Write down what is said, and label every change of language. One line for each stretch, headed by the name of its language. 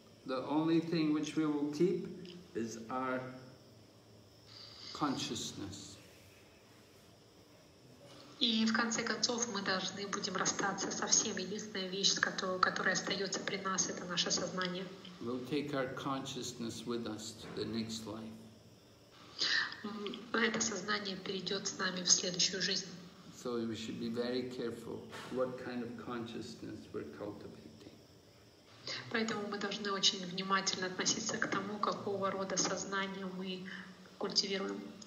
English: The only thing which we will keep is our consciousness.
Russian: И в конце концов мы должны будем расстаться со всем. Единственная вещь, которая остается при нас, это наше сознание.
English: We'll take our consciousness with us to the next life.
Russian: Это сознание перейдет с нами в следующую жизнь.
English: So we should be very careful what kind of consciousness we're cultivating.
Russian: Поэтому мы должны очень внимательно относиться к тому, какого рода сознание мы культивируем.